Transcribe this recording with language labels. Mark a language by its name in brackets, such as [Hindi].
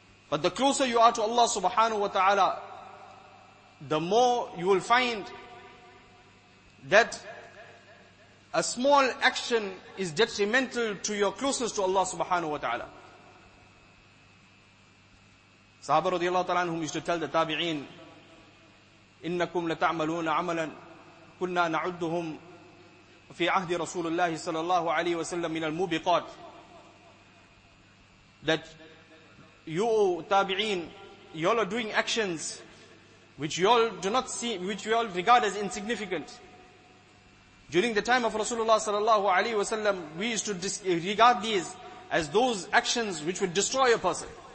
[English] But the closer you are to Allah subhanahu wa ta'ala, the more you will find that a small action is detrimental to your closeness to Allah subhanahu wa ta'ala. Sahaba radiallahu ta'ala anhum used to tell the tabi'een, [Arabic] إِنَّكُمْ لَتَعْمَلُونَ عَمَلًا كُنَّا نَعُدُّهُمْ فِي عَهْدِ رَسُولُ اللَّهِ صَلَى اللَّهُ عَلَيْهِ وَسَلَّمْ مِنَ الْمُوبِقَاتِ. [English] That you, tabi'een, you all are doing actions which you all do not see, which you all regard as insignificant. During the time of Rasulullah sallallahu alayhi wa sallam, we used to regard these as those actions which would destroy a person.